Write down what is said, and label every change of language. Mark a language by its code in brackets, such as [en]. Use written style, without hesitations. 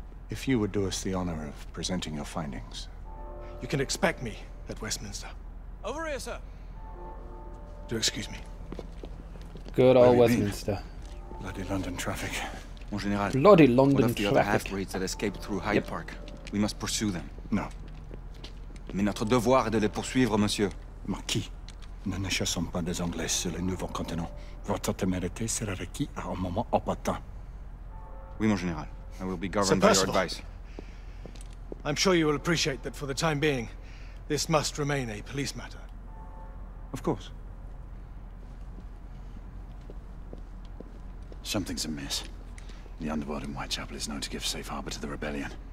[en] If you would do us the honor of presenting your findings. You can expect me at Westminster. Over here, sir. Do excuse me. Good old Westminster. Bloody London traffic. [fr] Mon général, [en] bloody London traffic. What of the other half-breeds that escaped through Hyde Park? We must pursue them. No. [fr] Mais notre devoir est de les poursuivre, monsieur. Marquis, nous ne chassons pas des Anglais sur le nouveau continent. Votre témérité sera requis à un moment opportun. Oui, mon général. [en] I will be governed by your advice. I'm sure you will appreciate that for the time being, this must remain a police matter. Of course. Something's amiss. The underworld in Whitechapel is known to give safe harbor to the rebellion.